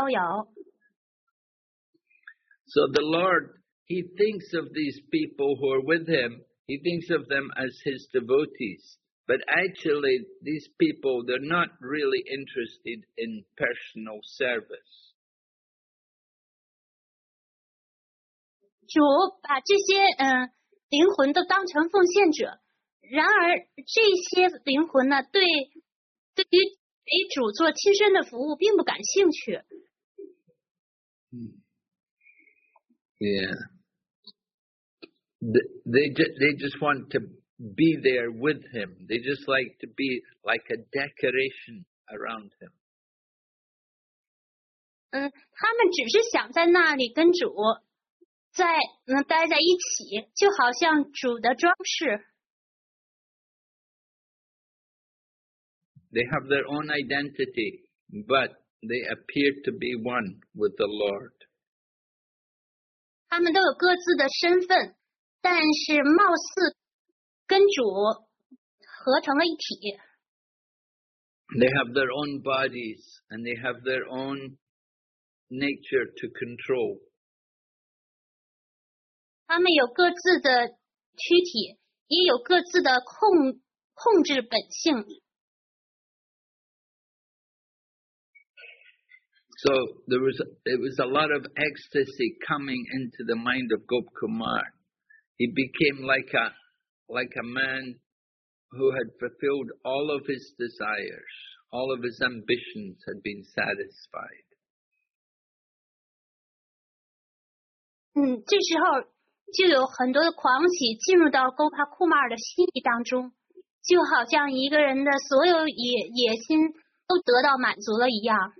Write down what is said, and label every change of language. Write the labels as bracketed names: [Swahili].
[Chinese] 即便是在解脱之地，至尊主也邀请了他的奉献者们前来跟他一起共享逍遥。 [English] So the Lord, He thinks of these people who are with Him, He thinks of them as His devotees. But actually, these people, they're not really interested in personal service. [Chinese] 主把这些灵魂都当成奉献者，然而这些灵魂呢，对于给主做亲身的服务并不感兴趣。 [English] Yeah, they just want to be there with him. They just like to be like a decoration around him. [Chinese] 他们只是想在那里跟主。在待在一起，就好像主的装饰。 [English] They have their own identity, but they appear to be one with the Lord. [Chinese] 他们都有各自的身份，但是貌似跟主合成了一体。 [English] They have their own bodies, and they have their own nature to control. [Chinese] 他们有各自的躯体，也有各自的控制本性。 [English] So there was, it was a lot of ecstasy coming into the mind of Gop Kumar. He became like a man who had fulfilled all of his desires, all of his ambitions had been satisfied. [Chinese] 这时候就有很多的狂喜进入到Gopakumar的心意当中，就好像一个人的所有野心都得到满足了一样。